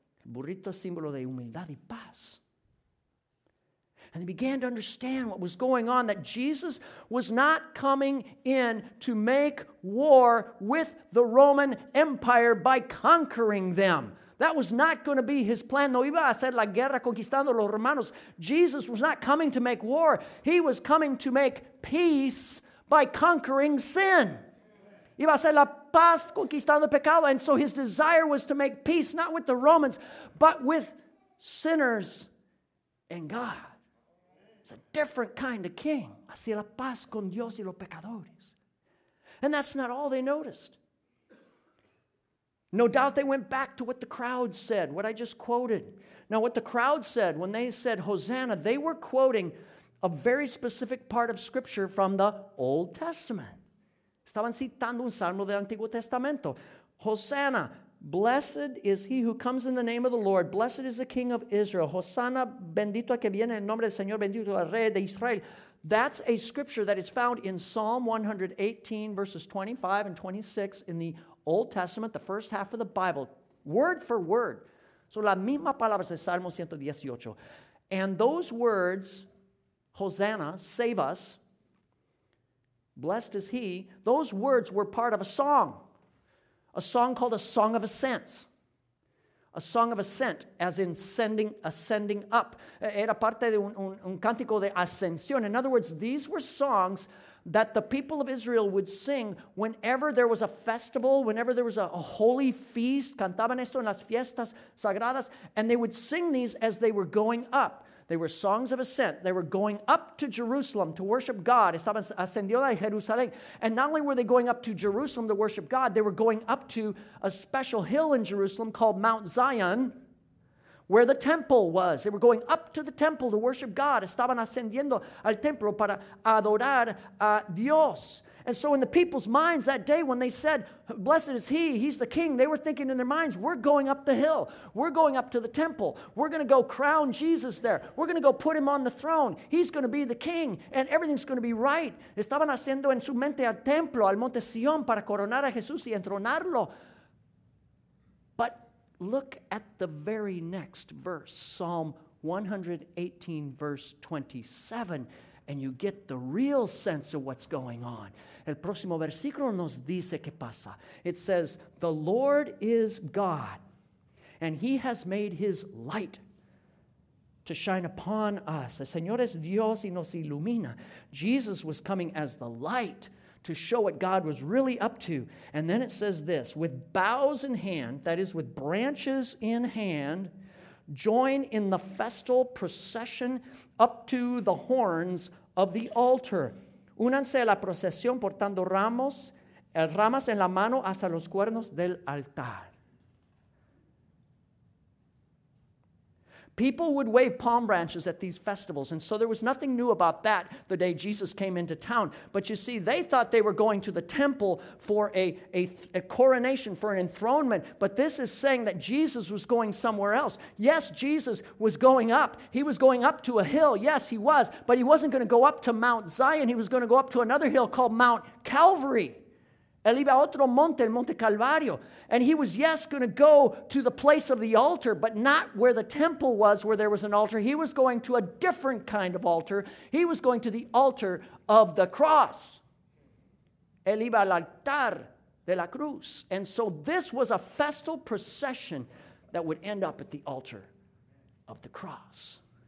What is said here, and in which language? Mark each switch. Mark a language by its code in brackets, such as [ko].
[es] Burrito es símbolo de humildad y paz. [en] And they began to understand what was going on, that Jesus was not coming in to make war with the Roman Empire by conquering them. That was not going to be his plan. [es] No iba a hacer la guerra conquistando los romanos. [en] Jesus was not coming to make war. He was coming to make peace by conquering sin. [es] Iba a ser la paz conquistando el pecado. [en] And so his desire was to make peace, not with the Romans, but with sinners and God. It's a different kind of king. [es] Hacía la paz con Dios y los pecadores. [en] And that's not all they noticed. No doubt they went back to what the crowd said, what I just quoted. Now, what the crowd said when they said Hosanna, they were quoting a very specific part of Scripture from the Old Testament. [es] Estaban citando un salmo del Antiguo Testamento. [en] Hosanna, blessed is he who comes in the name of the Lord. Blessed is the King of Israel. [es] Hosanna, bendito que viene en nombre del Señor, bendito el Rey de Israel. [en] That's a scripture that is found in Psalm 118, verses 25 and 26 in the Old Testament, the first half of the Bible, word for word. So [es] la misma palabra es Salmo 118. [en] And those words, Hosanna, save us, blessed is he, those words were part of a song called a song of ascents, a song of ascent, as in ascending up. [es] Era parte de un cántico de ascensión. [en] In other words, these were songs that the people of Israel would sing whenever there was a festival, whenever there was a holy feast. [es] Cantaban esto en las fiestas sagradas, [en] and they would sing these as they were going up. They were songs of ascent. They were going up to Jerusalem to worship God. [es] Estaban ascendiendo a Jerusalén. [en] And not only were they going up to Jerusalem to worship God, they were going up to a special hill in Jerusalem called Mount Zion, where the temple was. They were going up to the temple to worship God. [es] Estaban ascendiendo al templo para adorar a Dios. [en] And so in the people's minds that day when they said, blessed is he's the king, they were thinking in their minds, we're going up the hill. We're going up to the temple. We're going to go crown Jesus there. We're going to go put him on the throne. He's going to be the king, and everything's going to be right. [es] Estaban haciendo en su mente al templo, al monte Sion, para coronar a Jesús y entronarlo. [en] But Look at the very next verse, Psalm 118, verse 27, and you get the real sense of what's going on. [es] El próximo versículo nos dice qué pasa. [en] It says, "The Lord is God, and He has made His light to shine upon us." [es] El Señor es Dios y nos ilumina. [en] Jesus was coming as the light to show what God was really up to. And then it says this, "With boughs in hand," that is with branches in hand, "join in the festal procession up to the horns of the altar." [es] Únanse a la procesión portando ramos, ramas en la mano hasta los cuernos del altar. [en] People would wave palm branches at these festivals, and so there was nothing new about that the day Jesus came into town. But you see, they thought they were going to the temple for a coronation, for an enthronement, but this is saying that Jesus was going somewhere else. Yes, Jesus was going up. He was going up to a hill. Yes, he was, but he wasn't going to go up to Mount Zion. He was going to go up to another hill called Mount Calvary. [es] Él iba a otro monte, el Monte Calvario. [en] And he was, yes, going to go to the place of the altar, but not where the temple was, where there was an altar. He was going to a different kind of altar. He was going to the altar of the cross. [es] Él iba al altar de la cruz. [en] And so this was a festal procession that would end up at the altar of the cross.